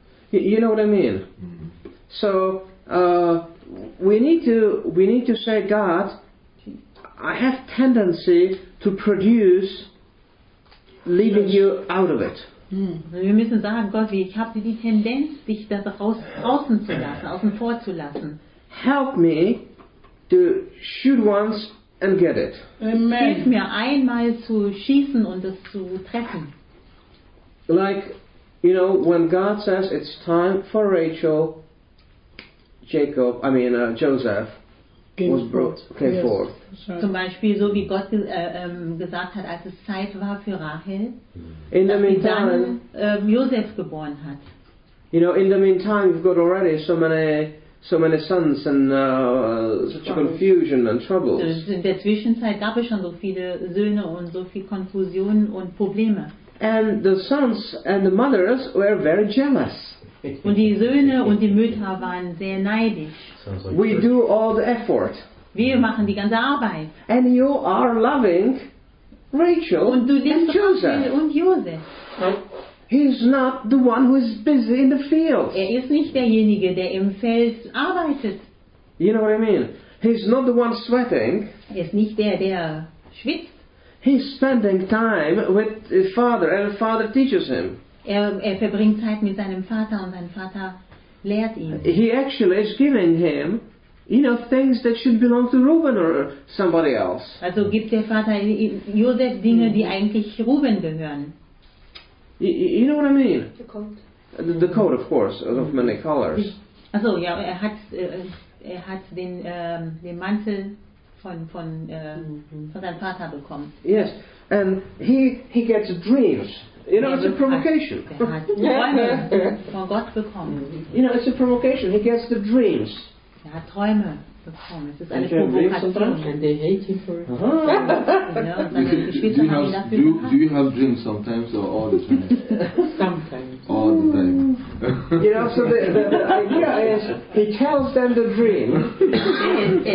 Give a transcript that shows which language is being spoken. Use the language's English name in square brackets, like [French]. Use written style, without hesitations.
[English] You know what I mean? So we need to say, God, I have tendency to produce leaving you out of it. [German] Wir müssen sagen, Gott, ich habe die Tendenz, dich da draußen zu lassen, außen vor zu lassen. [English] Help me to shoot once and get it. Amen. [German] Hilf mir einmal zu schießen und es zu treffen. [English] Like, you know, when God says it's time for Joseph. Came forth. [German] Zum Beispiel so wie Gott gesagt hat, als es Zeit war für Rahel, [English] in the meantime, [German] dann Josef geboren hat. [English] You know, in the meantime, we've got already so many sons and such confusion and troubles. [German] In der Zwischenzeit gab es schon so viele Söhne und so viel Konfusion und Probleme. [English] And the sons and the mothers were very jealous. [German] Und die Söhne und die Mütter waren sehr neidisch. [English] We do all the effort. [German] Wir machen die ganze Arbeit. [English] And you are loving Rachel [German] und du [English] and Joseph. [German] Und Josef. [English] He's not the one who is busy in the field. [German] Er ist nicht derjenige, der im Feld arbeitet. [English] You know what I mean? He's not the one sweating. [German] Er ist nicht der schwitzt. [English] He's spending time with his father, and his father teaches him. [German] Er verbringt Zeit mit seinem Vater und sein Vater lehrt ihn. [English] He actually is giving him, you know, things that should belong to Reuben or somebody else. [German] Also gibt der Vater Josef Dinge, die eigentlich Reuben gehören. [English] You know what I mean? The coat. The coat, of course, of many colors. [German] Also ja, er hat den Mantel von seinem Vater bekommen. [English] Yes, and he gets dreams. You know, it's a provocation. [German] Von Gott bekommen. [English] You know, it's a provocation. He gets the dreams. [German] Er hat Träume bekommen. Es ist eine Provokation. [English] And they hate him for it. Do you have dreams sometimes or all the time? Sometimes. All the time. You know, so the idea is, he tells them the dream.